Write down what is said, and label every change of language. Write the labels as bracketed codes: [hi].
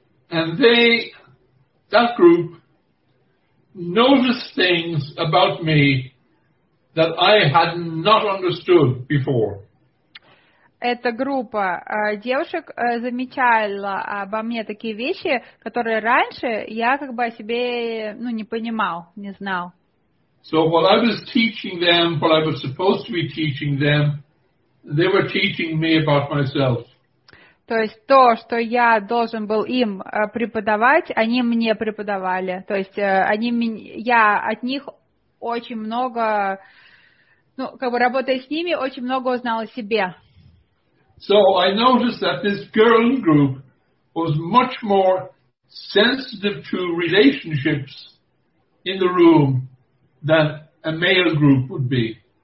[en] And they, that group, noticed things about me that I had not understood before. [ru] Эта группа девушек замечала обо мне такие вещи, которые раньше я как бы о себе, ну, не понимал, не знал. [en] So while I was teaching them, what I was supposed to be teaching them, they were teaching me about myself. [ru] То есть то, что я должен был им преподавать, они мне преподавали. То есть они, я от них очень много, ну, как бы работая с ними, очень много узнал о себе. [en] So I noticed that this girl group was much more sensitive to relationships in the room than a male group would be.